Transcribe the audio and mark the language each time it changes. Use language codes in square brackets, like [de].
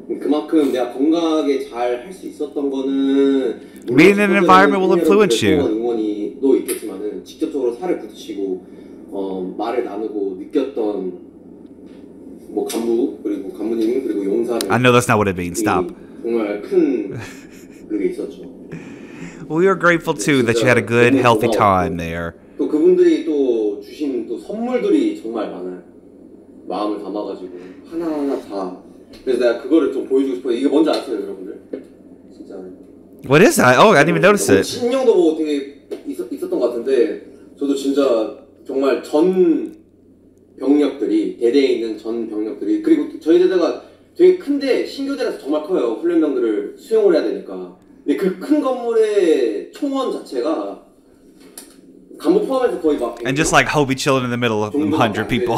[ko] 그만큼 내가 건강하게 잘 할 수 있었던 거는 [en] Being in an environment will influence you. [ko] 응원이도 있겠지만은 직접적으로 살을 부딪히고 말을 나누고 느꼈던 뭐 간부 그리고 간부님 그리고 용사들 [en] I know that's not what it means. Stop. [ko] 정말 큰 그게 있었죠. [en] We are grateful too that you had a good, healthy time there. [ko] 또 그분들이 또 주신 또 선물들이 정말 많아요. 마음을 담아가지고 하나하나 다 그래서 내가 그거를 좀 보여주고 싶어요. 이게 뭔지 아세요, 여러분들? 진짜. [en] What is that? Oh, I didn't even notice it. [ko] 신형도 뭐 되게 있었던 것 같은데 저도 진짜 정말 전 병력들이 대대에 있는 전 병력들이 그리고 저희 대대가 되게 큰데 신교대라서 정말 커요. 훈련병들을 수용을 해야 되니까 근데 그 큰 건물의 총원 자체가 간부 포함해서 거의 막 [en] And just like Hobie chilling in the middle of 100 people.